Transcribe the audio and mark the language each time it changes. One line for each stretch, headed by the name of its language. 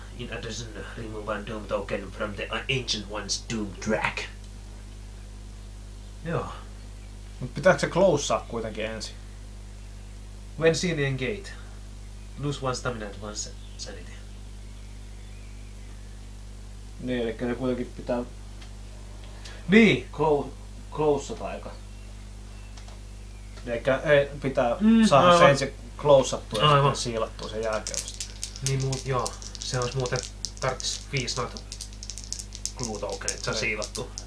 English: In addition, remove a doom token from the ancient one's doom track.
Finnish: Joo. Mut pitääkö se close-saa kuitenkin ensin?
English: When sealing gate, lose one stamina and one sanity.
Finnish: Niin, eli se kuitenkin pitää... Niin! Close-sata aika. Eli pitää saada se ensin close-sattua ja sitten siilattua sen jälkeen. Niin, joo. Se olisi muuten... Tarvitsis 5 noita clue tokenit, se on siilattu.